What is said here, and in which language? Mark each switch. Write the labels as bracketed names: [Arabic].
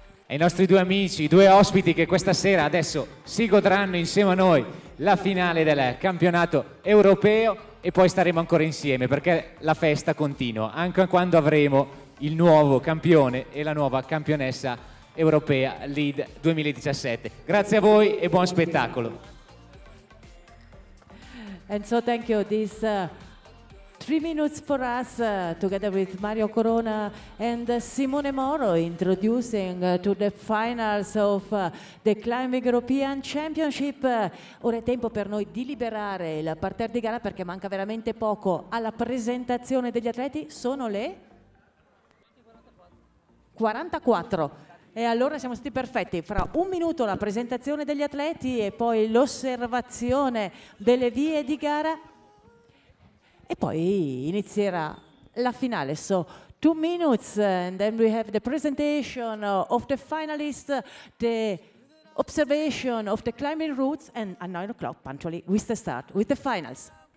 [Italian] ai nostri due amici, due ospiti che questa sera adesso si godranno insieme a noi la finale del campionato europeo e poi staremo ancora insieme perché la festa continua, anche quando avremo il nuovo campione e la nuova campionessa europea Lead 2017. Grazie a voi e buon spettacolo. [English] And so thank you this 3 minutes for us together with Mario Corona and Simone Moro introducing to the finals of the Climbing European Championship. [Italian] Ora è tempo per noi di liberare il parterre di gara perché manca veramente poco alla presentazione degli atleti. Sono le 44. E allora siamo stati perfetti, fra un minuto la presentazione degli atleti e poi l'osservazione delle vie di gara e poi inizierà la finale. [English] So 2 minutes and then we have the presentation of the finalists, the observation of the climbing routes and at 9 o'clock punctually we start with the finals.